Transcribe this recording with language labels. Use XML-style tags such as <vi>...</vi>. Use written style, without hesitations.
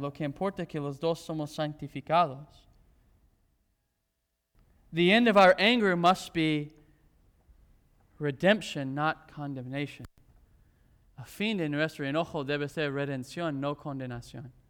<es>Lo que importa es que los dos somos santificados.</es> <en>The end of our anger must be redemption, not condemnation.</en> <es>A fin de nuestro enojo debe ser redención, no condenación.</es>